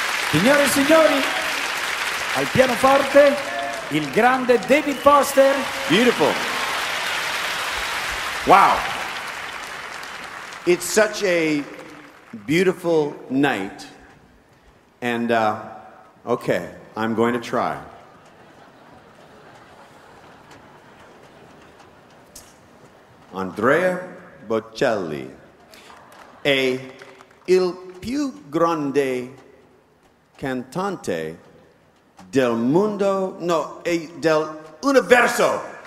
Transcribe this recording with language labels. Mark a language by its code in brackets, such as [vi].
[it] Signore e signori, al pianoforte il grande David Foster. [en] Beautiful. Wow. It's such a beautiful night, and okay, I'm going to try. [it] Andrea Bocelli è il più grande cantante del mondo, no, e del universo.